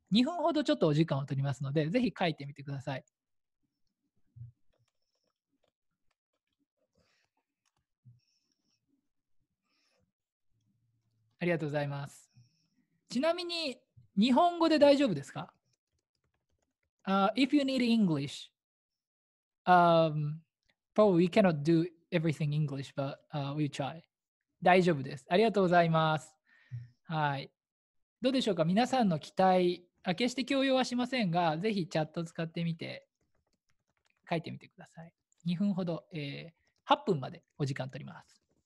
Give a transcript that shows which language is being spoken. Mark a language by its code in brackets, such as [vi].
[ja] 2分ほどちょっとお時間を取りますので、ぜひ書いてみてください。ありがとうございます。ちなみに日本語で大丈夫ですか。 [en] If you need Englishprobably we cannot do everything English, but we try. [ja] 大丈夫です。ありがとうございます。はい。どうでしょうか。皆さんの期待あ、決して強要はしませんが、ぜひチャット使ってみて、書いてみてください。 2分ほど、8分までお時間取ります。